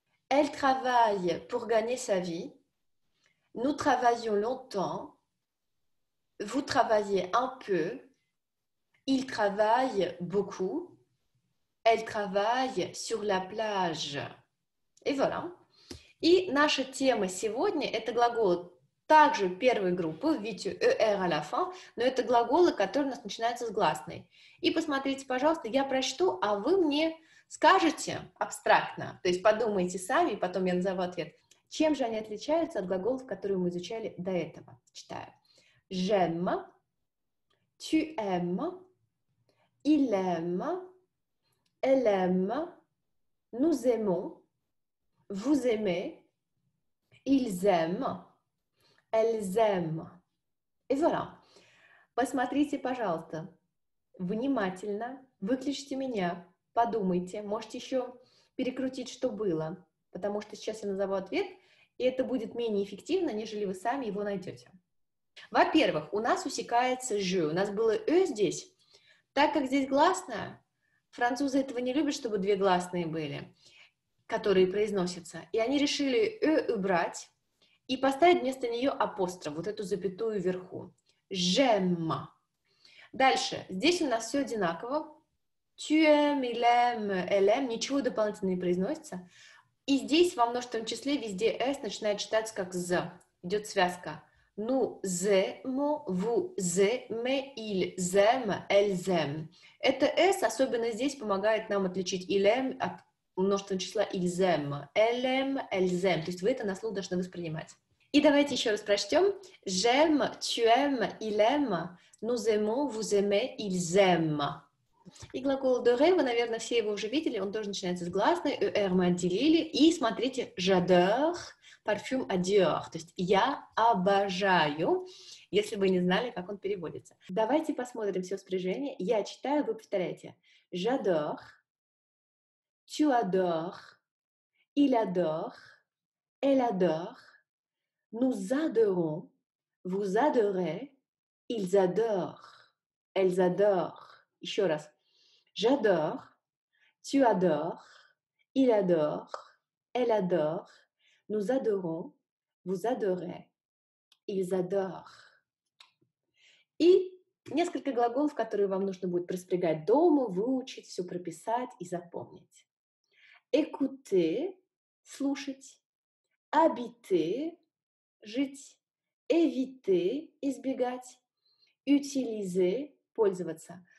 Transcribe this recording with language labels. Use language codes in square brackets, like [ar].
[fr] Elle travaille pour gagner sa vie. Nous travaillons longtemps. Vous travaillez un peu. Il travaille beaucoup. Elle travaille sur la plage. Et voilà. [ru] И наша тема сегодня – это глагол также первой группы, видите, «er» [fr] à la fin, [ru] но это глаголы, которые у нас начинаются с гласной. И посмотрите, пожалуйста, я прочту, а вы мне скажете абстрактно, то есть подумайте сами, потом я назову ответ, чем же они отличаются от глаголов, которые мы изучали до этого, читаю. [fr] J'aime, tu aimes, il aime, elle aime, nous aimons, vous aimez, ils aiment, elles aiment. Et voilà. [ru] Посмотрите, пожалуйста, внимательно, выключите меня, подумайте, можете еще перекрутить, что было, потому что сейчас я назову ответ, и это будет менее эффективно, нежели вы сами его найдете. Во-первых, у нас усекается «je», у нас было «e» здесь, так как здесь гласная, французы этого не любят, чтобы две гласные были, которые произносятся, и они решили «e» убрать и поставить вместо нее апостроф, вот эту запятую вверху. [fr] «J'aime». [ru] Дальше, здесь у нас все одинаково. [fr] «Tu aimes, il aime, elle aime», [ru] ничего дополнительного не произносится. И здесь во множественном числе везде «s» начинает читаться как «z», идет связка. [fr] Nous aimons, vous aimez, ils aiment, elles aiment. [ru] Это S особенно здесь помогает нам отличить [fr] il aime [ru] от множественного числа [fr] ils aiment. Elle aime, elles aiment. [ru] То есть вы это на слух должны воспринимать. И давайте еще раз прочтем. [fr] J'aime, tu aimes, il aime. Nous aimons, vous aimez, ils aiment. [ru] И глагол adorer, вы, наверное, все его уже видели. Он тоже начинается с гласной. ER мы отделили. И смотрите, j'adore. Парфюм Dior, то есть я обожаю, если вы не знали, как он переводится. Давайте посмотрим все спряжение. Я читаю, вы повторяете. [fr] J'adore, tu adores, il adore, elle adore, nous adorons, vous adorez, ils adorent, elles adorent. [ru] Еще раз. [fr] J'adore, tu adores, il adore, elle adore. Nous adorons, vous adorez, ils adorent. [ru] И несколько глаголов, которые вам нужно будет проспрягать дома, выучить, все прописать и запомнить. Écouter – слушать. Habiter – жить. Éviter – избегать. Utiliser – пользоваться.